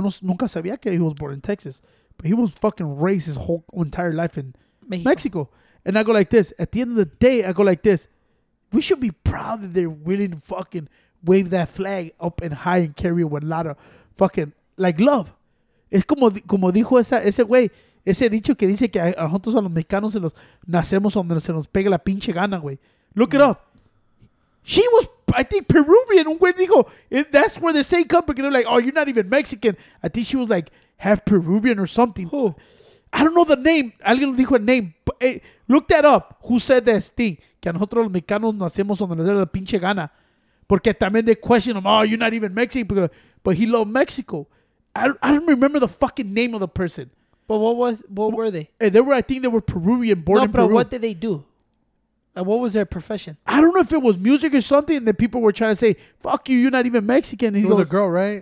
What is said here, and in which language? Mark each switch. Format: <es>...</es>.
<es>Yo nunca sabía que</es> <en>he was born in Texas. But he was fucking raised his whole entire life in Mexico. And I go like this. At the end of the day, I go like this. We should be proud that they're willing to fucking wave that flag up and high and carry it with a lot of fucking, like, love.</en> <es>Es como dijo ese güey. Ese dicho que dice que a nosotros a los mexicanos se los nacemos donde se nos pega la pinche gana, güey.</es> <en>Look it up. She was, I think, Peruvian.</en> <es>Un güey dijo,</es> <en>that's where they say come, because they're like, oh, you're not even Mexican. I think she was like half Peruvian or something. Oh. I don't know the name.</en> <es>Alguien dijo</es> <en>a name. But, hey, look that up. Who said this thing?</en> <es>Que nosotros los mexicanos nacemos donde nos da la pinche gana. Porque también</es> <en>they question him, oh, you're not even Mexican. But he loved Mexico. I don't remember the fucking name of the person. But what were they? They were, I think they were Peruvian, born in Peru. No, but what did they do? What was their profession? I don't know if it was music or something that people were trying to say, fuck you, you're not even Mexican. And it was a girl, right?</en>